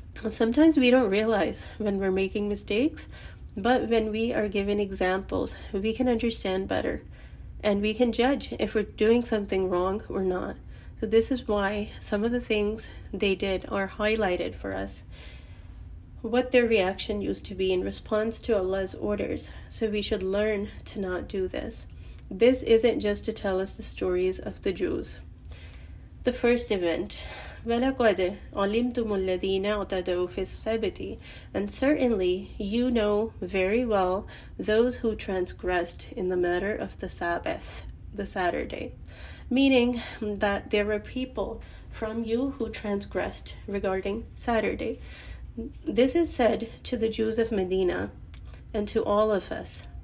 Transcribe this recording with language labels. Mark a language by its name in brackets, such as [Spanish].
[English] Sometimes we don't realize when we're making mistakes, but when we are given examples, we can understand better and we can judge if we're doing something wrong or not. So this is why some of the things they did are highlighted for us, what their reaction used to be in response to Allah's orders. So we should learn to not do this. This isn't just to tell us the stories of the Jews. The first event, [Arabic] وَلَقَدْ عَلِمْتُمُ الَّذِينَ اَعْتَدَوْا فِي السَّبْتِ. [English] And certainly, you know very well those who transgressed in the matter of the Sabbath, the Saturday. Meaning that there were people from you who transgressed regarding Saturday. This is said to the Jews of Medina and to all of us.